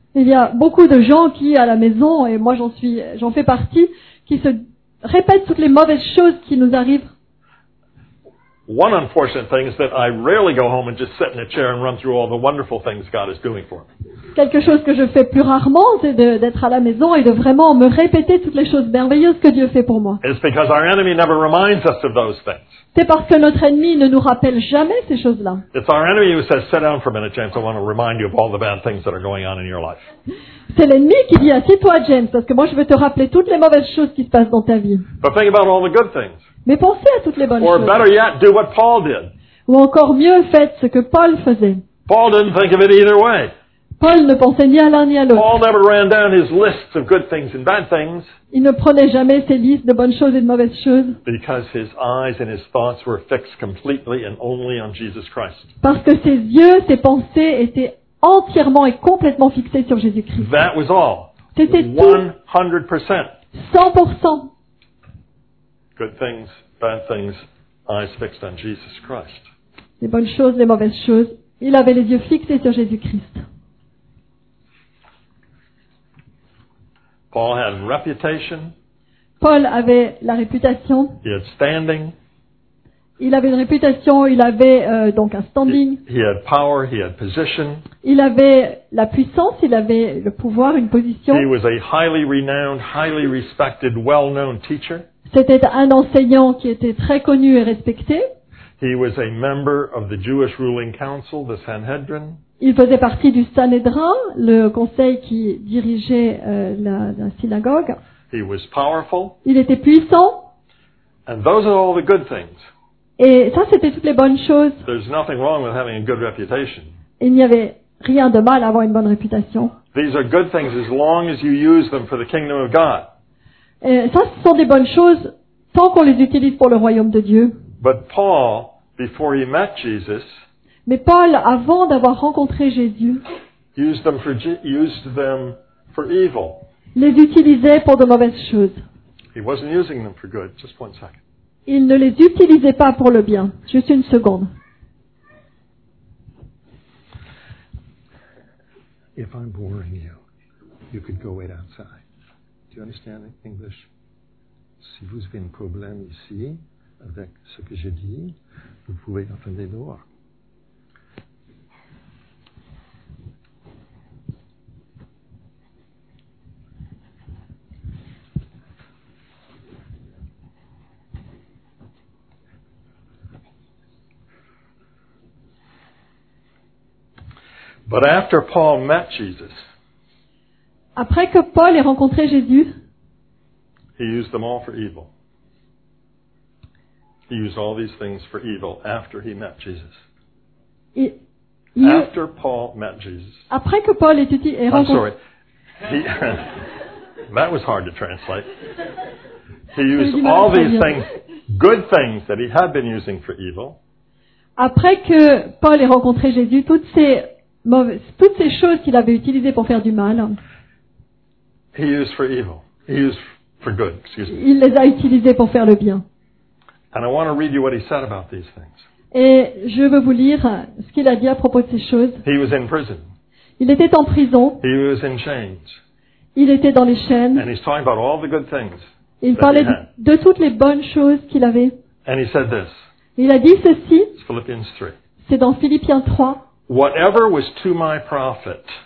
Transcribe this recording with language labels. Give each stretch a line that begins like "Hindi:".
French: Il y a beaucoup de gens qui, à la maison, et moi j'en fais partie, qui se répètent toutes les mauvaises choses qui nous arrivent.
English: One unfortunate thing is that I rarely go home and just sit in a chair and run through all the wonderful things God is doing for me.
French: Quelque chose que je fais plus rarement, c'est d'être à la maison et de vraiment me répéter toutes les choses merveilleuses que Dieu fait pour moi.
English: It's because our enemy never reminds us of those things.
French: C'est parce que notre ennemi ne nous rappelle jamais ces choses-là.
English: It's our enemy who says, "Sit down for a minute, James. I want to remind you of all the bad things that are going on in your life."
French: C'est l'ennemi qui dit, "Assieds-toi, James, parce que moi je veux te rappeler toutes les mauvaises choses qui se passent dans ta vie."
English: But think about all the good things.
French: Mais pensez à toutes les bonnes
English: or
French: choses.
English: Better yet, do what Paul did.
French: Ou encore mieux, faites ce que Paul faisait.
English: Paul, didn't think of it either way.
French: Paul ne pensait ni à l'un ni à l'autre.
English: Paul never ran down his lists of good things and bad things.
French: Il ne prenait jamais ses listes de bonnes choses et de mauvaises choses.
English: Because his eyes and his thoughts were fixed completely and only on Jesus Christ.
French: Parce que ses yeux, ses pensées étaient entièrement et complètement fixés sur Jésus-Christ.
English: That was all.
French: C'était tout.
English: 100%.
French: 100%.
English: Good things, bad things, eyes fixed on Jesus Christ.
French: Les bonnes choses, les mauvaises choses. Il avait les yeux fixés sur Jésus-Christ.
English: Paul had reputation.
French: Paul avait la réputation.
English: He had standing.
French: Il avait une réputation, il avait donc un standing.
English: He had power, he had position.
French: Il avait la puissance, il avait le pouvoir, une position.
English: He was a highly renowned, highly respected, well-known teacher.
French: C'était un enseignant qui était très connu et respecté.
English: He was a member of the Jewish ruling council, the Sanhedrin.
French: Il faisait partie du Sanhédrin, le conseil qui dirigeait la synagogue.
English: He was powerful.
French: Il était puissant.
English: And those are all the good things.
French: Et ça, c'était toutes les bonnes choses.
English: There's nothing wrong with having a good reputation.
French: Il n'y avait rien de mal à avoir une bonne réputation.
English: These are good things as long as you use them for the kingdom of God.
French: Et ça, ce sont des bonnes choses tant qu'on les utilise pour le royaume de Dieu.
English: But Paul, before he met Jesus,
French: mais Paul, avant d'avoir rencontré Jésus,
English: used them for evil.
French: Les utilisait pour de mauvaises choses.
English: He wasn't using them for good. Just one second.
French: Il ne les utilisait pas pour le bien. Juste une seconde.
English: If I'm boring you, you could go wait outside. Do you understand English?
French: Si vous avez un problème ici avec ce que j'ai dit, vous pouvez attendre dehors.
English: But after Paul met Jesus,
French: après que Paul ait rencontré Jésus,
English: he used them all for evil. He used all these things for evil after he met Jesus. After Paul met Jesus.
French: Après que Paul ait rencontré.
English: I'm sorry. That was hard to translate. He used all these things, good things that he had been using for evil.
French: Après que Paul ait rencontré Jésus, toutes ces choses qu'il avait utilisées pour faire du mal.
English: He used for evil. He used for good, excuse me.
French: Il les a utilisées pour faire le bien.
English: And I want to read you what he said about these things.
French: Et je veux vous lire ce qu'il a dit à propos de ces choses.
English: He was in prison.
French: Il était en prison.
English: He was in chains.
French: Il était dans les chaînes.
English: And he's talking about all the good things.
French: Il parlait de toutes les bonnes choses qu'il avait.
English: And he said this.
French: Il a dit ceci.
English: It's Philippians 3.
French: C'est dans Philippiens 3.
English: Whatever was to my profit.